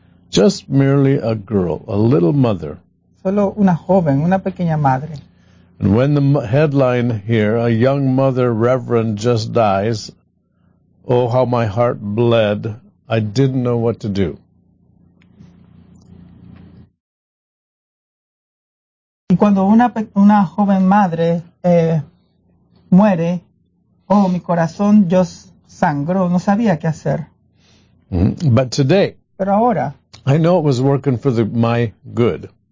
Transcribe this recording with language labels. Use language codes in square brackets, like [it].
[en] Just merely a girl, a little mother. [es] Solo una joven, una pequeña madre. [en] And when the headline here, a young mother reverend just dies, oh, how my heart bled, I didn't know what to do. [es] Y cuando una joven madre muere, oh, mi corazón yo sangró, no sabía qué hacer. [en] But today, [es] pero ahora, [en] I know it was working for my good.